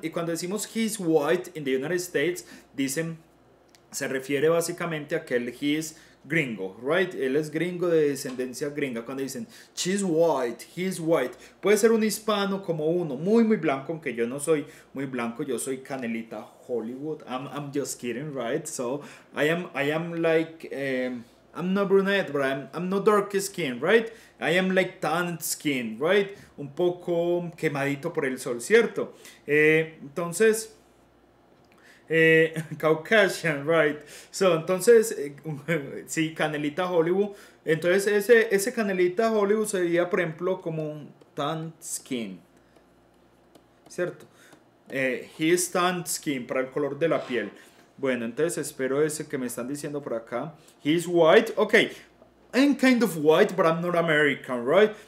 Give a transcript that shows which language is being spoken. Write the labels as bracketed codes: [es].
[es] Y cuando decimos [en] he is white in the United States, [es] dicen, se refiere básicamente a que él, [en] he is gringo, right? [es] Él es gringo, de descendencia gringa. Cuando dicen [en] she's white, he is white, [es] puede ser un hispano, como uno muy muy blanco, aunque yo no soy muy blanco, yo soy canelita Hollywood. [en] I'm just kidding, right? So I am like I'm not brunette, but I'm not dark skin, right? I am like tan skin, right? [es] Un poco quemadito por el sol, ¿cierto? [en] Entonces, Caucasian, right? [es] So, entonces, sí, canelita Hollywood. Entonces, ese canelita Hollywood sería, por ejemplo, como un [en] tan skin, [es] ¿cierto? [en] He is tan skin, [es] para el color de la piel. Bueno, entonces espero ese que me están diciendo por acá. [en] He's white. Ok. I'm kind of white, but I'm not American, right?